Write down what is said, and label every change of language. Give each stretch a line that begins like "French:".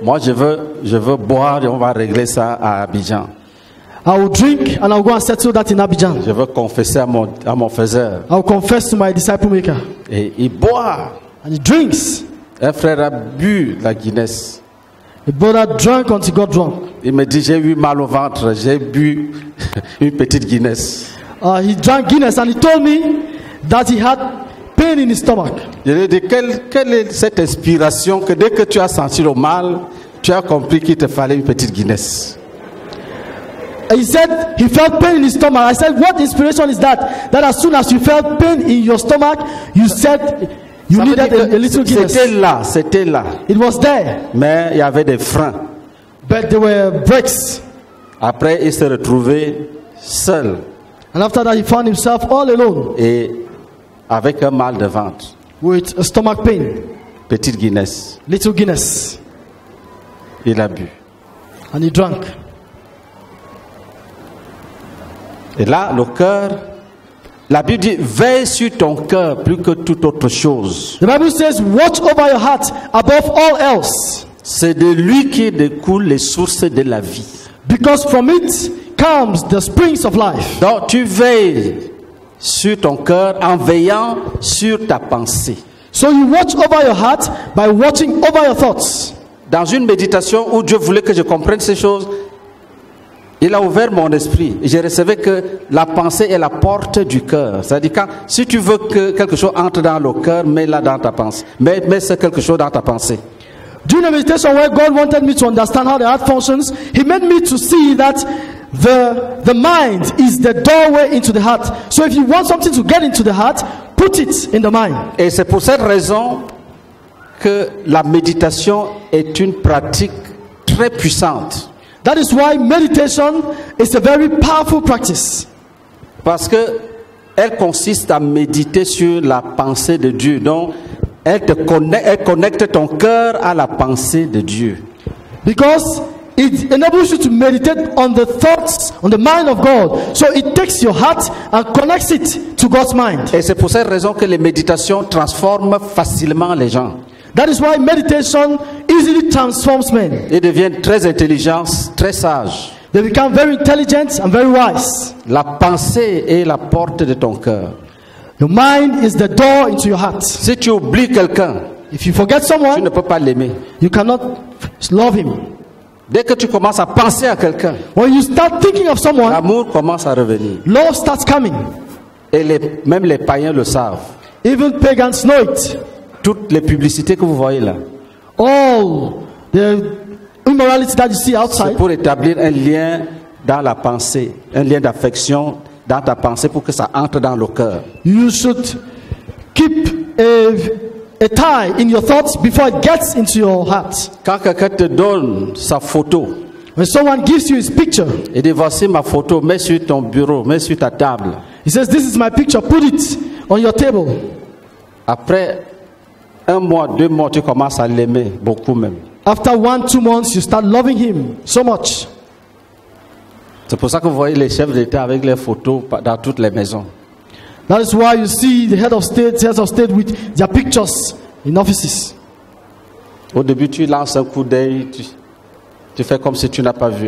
French: moi je veux boire et on va régler ça à Abidjan.
English: I will drink and I will go and settle that in Abidjan.
French: Je veux confesser à mon faiseur.
English: I will confess to my disciple maker.
French: Et il boit.
English: And he drinks.
French: Un frère a bu la Guinness.
English: A brother drank until he got drunk.
French: Il me dit, j'ai eu mal au ventre, j'ai bu une petite Guinness.
English: He drank Guinness and he told me that he had pain in his stomach.
French: Je lui ai dit, quelle est cette inspiration que dès que tu as senti le mal, tu as compris qu'il te fallait une petite Guinness.
English: He said he felt pain in his stomach. I said, what inspiration is that? That as soon as you felt pain in your stomach, you said you
French: ça
English: needed a little Guinness.
French: C'était là.
English: It was there.
French: Mais il y avait des freins.
English: But there were brakes.
French: Après, il s'est retrouvé seul.
English: And after that, he found himself all alone.
French: Et avec un mal de ventre.
English: With a stomach pain.
French: Petite Guinness.
English: Little Guinness.
French: Il a bu.
English: And he drank.
French: Et là, le cœur, la Bible dit, veille sur ton cœur plus que toute autre chose.
English: The Bible says, watch over your heart above all else.
French: C'est de lui qui découlent les sources de la vie.
English: Because from it comes the springs of life.
French: Donc, tu veilles sur ton cœur en veillant sur ta pensée.
English: So you watch over your heart by watching over your thoughts.
French: Dans une méditation où Dieu voulait que je comprenne ces choses, Il a ouvert mon esprit. J'ai recevé que la pensée est la porte du cœur. C'est-à-dire que si tu veux que quelque chose entre dans le cœur, mets-la dans ta pensée. Mets quelque chose dans ta pensée.
English: During a meditation where God wanted me to understand how the heart functions, He made me to see that the mind is the doorway into the heart. So if you want something to get into the heart, put it in the mind.
French: Et c'est pour cette raison que la méditation est une pratique très puissante.
English: That is why meditation is a very powerful practice.
French: Parce que elle consiste à méditer sur la pensée de Dieu. Donc elle connecte ton cœur à la pensée de Dieu.
English: Because it enables you to meditate on the thoughts, on the mind of God. So it takes your heart and connects it to God's mind.
French: Et c'est pour cette raison que les méditations transforment facilement les gens.
English: That is why meditation easily transforms men.
French: Ils deviennent très intelligents, très sages.
English: They become very intelligent and very wise.
French: La pensée est la porte de ton cœur.
English: Your mind is the door into your heart.
French: Si tu oublies quelqu'un,
English: if you forget someone,
French: tu ne peux pas l'aimer.
English: You cannot love him.
French: Dès que tu commences à penser à quelqu'un,
English: when you start thinking of someone,
French: l'amour commence à revenir.
English: Love starts coming.
French: Et même les païens le savent.
English: Even pagans know it.
French: Toutes les publicités que vous voyez là,
English: all the immorality that you see outside,
French: c'est pour établir un lien dans la pensée, un lien d'affection dans ta pensée pour que ça entre dans le cœur.
English: You should keep a tie in your thoughts before it gets into your heart.
French: Quand quelqu'un te donne sa photo,
English: when someone gives you his picture,
French: il dit voici ma photo, mets sur ton bureau, mets sur ta table.
English: He says this is my picture, put it on your table.
French: Après un mois, deux mois, tu commences à l'aimer beaucoup même.
English: After 1-2 months, you start loving him so much.
French: C'est pour ça que vous voyez les chefs d'État avec leurs photos dans toutes les maisons.
English: That is why you see the heads of state with their pictures in offices.
French: Au début, tu lances un coup d'œil, tu fais comme si tu n'as pas vu.